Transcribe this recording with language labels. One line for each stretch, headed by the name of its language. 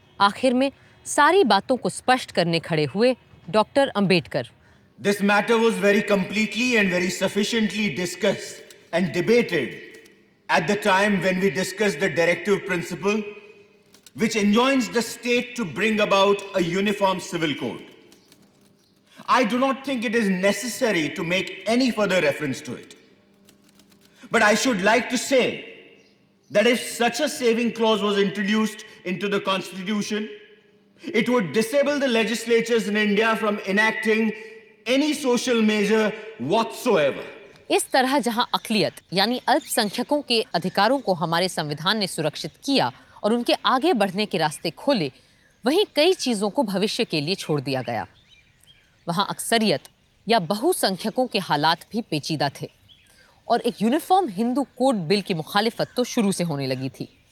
Hindi: आखिर में सारी बातों को स्पष्ट करने खड़े हुए doctor Ambedkar.
English: This matter was very completely and very sufficiently discussed and debated at the time when we discussed the directive principle which enjoins the state to bring about a uniform civil code. I do not think it is necessary to make any further reference to it. But I should like to say that if such a saving clause was introduced into the Constitution, it would disable the legislatures in India from enacting any social measure whatsoever.
Hindi: इस तरह जहां अकलियत यानी अल्पसंख्यकों के अधिकारों को हमारे संविधान ने सुरक्षित किया और उनके आगे बढ़ने के रास्ते खोले, वहीं कई चीज़ों को भविष्य के लिए छोड़ दिया गया। वहां अक्सरियत या बहुसंख्यकों के हालात भी पेचीदा थे और एक यूनिफॉर्म हिंदू कोड बिल की मुखालिफत तो शुरू से होने लगी थी।